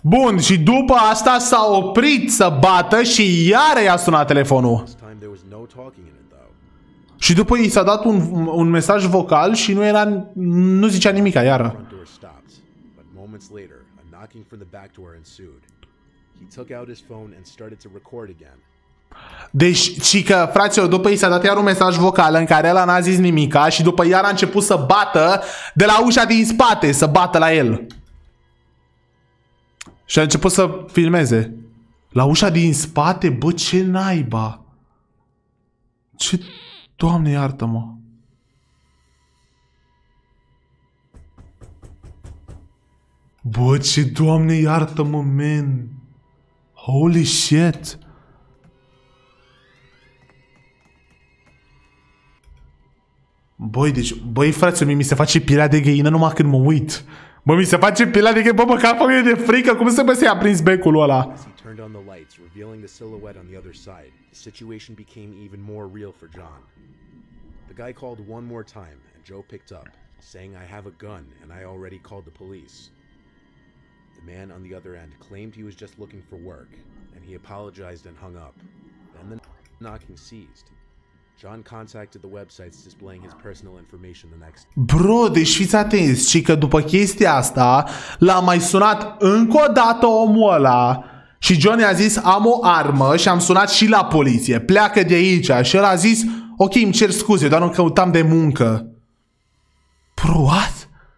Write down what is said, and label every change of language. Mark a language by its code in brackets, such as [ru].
[ro] Bun, și după asta s-a oprit să bată și iar i-a sunat telefonul. [en] This time there was no talking in it though. [ro] Și după i s-a dat un mesaj vocal și nu zicea nimic iară. [en] But moments later, a knocking from the back door ensued. He took out his phone and started to record again. [ro] Deci, cică, frate, după i s-a dat iar un mesaj vocal în care ăla n-a zis nimica și după iar a început să bată de la ușa din spate, să bată la el. Și a început să filmeze. La ușa din spate? Bă, ce naiba! Ce... Doamne, iartă-mă! Bă, ce... Doamne, iartă-mă, man! [en] Holy shit! [ro] Băi, deci, băi, frate, mi se face pielea de găină numai când mă uit. Bă, mi se face pielea de găină, bă, măcar pe mine de frică, cum să mă se ia prins becul ăla? [en] As he turned on the lights, revealing the silhouette on the other side, the situation became even more real for John. The guy called one more time, and Joe picked up, saying, I have a gun, and I already called the police. The man on the other end claimed he was just looking for work, and he apologized and hung up. Then the knocking ceased. John contacted the websites displaying his personal information the next. [ro] Bro, deci fiți atenți, și că după chestia asta, l-a mai sunat încă o dată omul ăla și John i-a zis, am o armă și am sunat și la poliție, pleacă de aici. Și el a zis, ok, îmi cer scuze, doar îmi căutam de muncă. [en] Bro, what?